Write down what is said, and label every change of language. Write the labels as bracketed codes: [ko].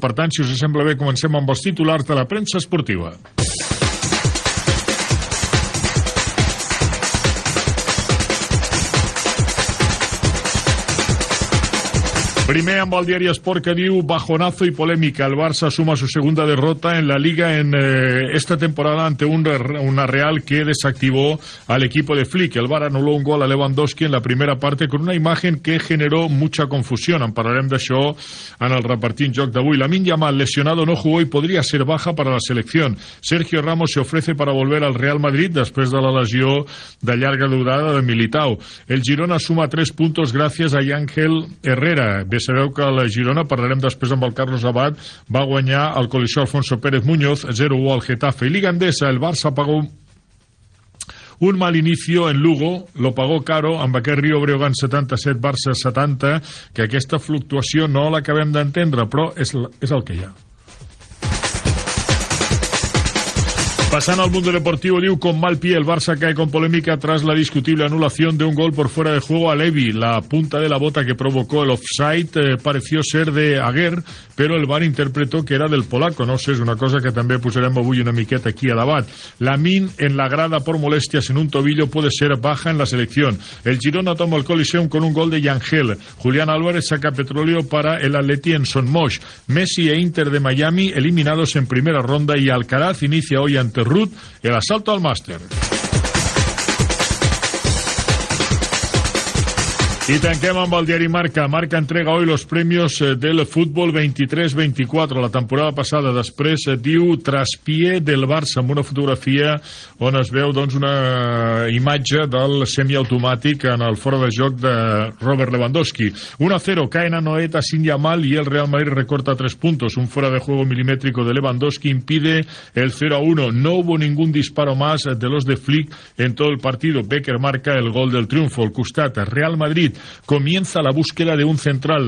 [ca] Per tant, si us sembla bé, comencem amb els titulars de la premsa esportiva. Primer amb el diari Esport, que diu: [es] bajonazo y polémica. El Barça suma su segunda derrota en la Liga en esta temporada ante una Real que desactivó al equipo de Flick. El VAR anuló un gol a Lewandowski en la primera parte con una imagen que generó mucha confusión. [ca] En parlarem d'això en el Repartint Joc d'avui. [es] Lamine Yamal, lesionado, no jugó y podría ser baja para la selección. Sergio Ramos se ofrece para volver al Real Madrid después de la [ca] lesió de llarga durada [es] de Militao. El Girona suma 3 puntos gracias a Yangel Herrera. [ca] Bé, sabeu que la Girona, parlarem després amb el Carlos Abad, va guanyar el Coliseu Alfonso Pérez Muñoz 0-1 al Getafe. I Liga Endesa, [es] el Barça pagó un mal inicio en Lugo, lo pagó caro [ca] amb aquest Rio Breogán 77, Barça 70, que aquesta fluctuació no l'acabem d'entendre, però és el que hi ha. [es] Pasando al mundo deportivo, diu: con mal pie, el Barça cae con polémica tras la discutible anulación de un gol por fuera de juego a Levy. La punta de la bota que provocó el offside pareció ser de Aguer, pero el VAR interpretó que era del polaco. [ca] No sé, es una cosa que també posarem avui una miqueta aquí a debat. [es] Lamine en la grada por molestias en un tobillo puede ser baja en la selección. El Girona toma el Coliseum con un gol de Yangel. Julián Álvarez saca petróleo para el Atleti en Son Moix. Messi e Inter de Miami eliminados en primera ronda y Alcaraz inicia hoy ante Ruth el asalto al máster. [ca] Y tanquem amb el diari Marca. [es] Marca entrega hoy los premios del fútbol 23-24. [ca] La temporada passada, després, diu: traspié del Barça, amb una fotografia on es veu, doncs, una imatge del semiautomàtic en el fora de joc de Robert Lewandowski. [es] 1-0, caen a Noeta sin Yamal y el Real Madrid recorta 3 puntos. Un fuera de juego milimétrico de Lewandowski impide el 0-1. No hubo ningún disparo más de los de Flick en todo el partido. Becker marca el gol del triunfo. El Custata, Real Madrid comienza la búsqueda de un central.